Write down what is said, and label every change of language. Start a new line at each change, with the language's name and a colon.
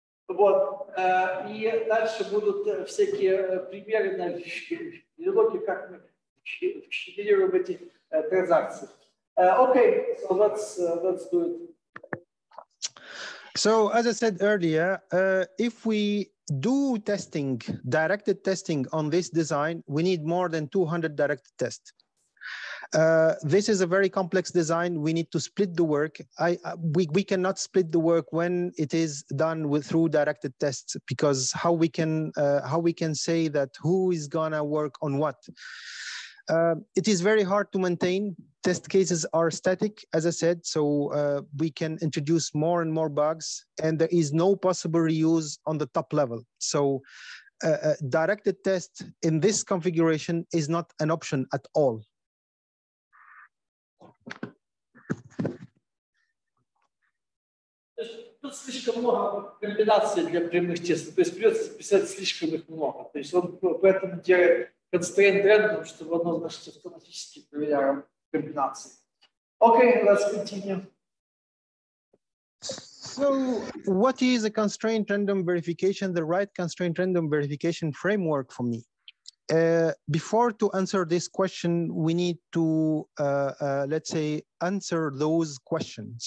Russian: Вот, и дальше будут всякие примеры на логике, как мы генерируем эти транзакции.
English: Okay, so let's do it. So as I said earlier, if we do testing, directed testing on this design, we need more than 200 directed tests. This is a very complex design. We need to split the work. We cannot split the work when it is done with through directed tests, because how we can say that who is gonna work on what? It is very hard to maintain. Test cases are static, as I said, so we can introduce more and more bugs, and there is no possible reuse on the top level. So directed test in this configuration is not an option at all.
Russian: Тут слишком много комбинаций для прямых тестов, то есть придется писать слишком их много. То есть он поэтому делает constraint random, чтобы оно, значит, автоматически проверяло комбинации.
English: Okay, let's continue. So what is a constraint random verification, the right constraint random verification framework for me? Before to answer this question, we need to, let's say, answer those questions.